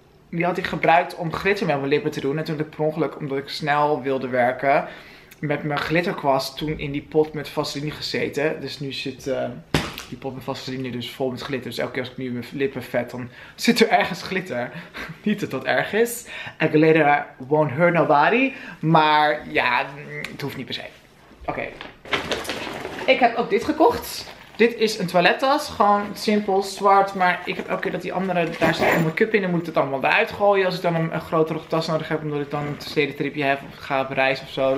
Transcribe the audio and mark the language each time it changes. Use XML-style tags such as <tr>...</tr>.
<nl>Die had ik gebruikt om glitter met mijn lippen te doen. En toen ik per ongeluk, omdat ik snel wilde werken, met mijn glitterkwast toen in die pot met vaseline gezeten. Dus nu zit die pot met vaseline dus vol met glitter. Dus elke keer als ik nu mijn lippen vet, dan zit er ergens glitter. Niet dat dat erg is. En</nl> <en>glitter won't hurt nobody.</en> <nl>Maar ja, het hoeft niet per se. Oké. Okay. Ik heb ook dit gekocht. Dit is een toilettas. Gewoon simpel, zwart. Maar ik heb elke keer dat die andere, daar zit mijn cup in. Dan moet ik het allemaal eruit gooien. Als ik dan een grotere tas nodig heb. Omdat ik dan een stedentripje heb. Of ga op reis of zo.</nl>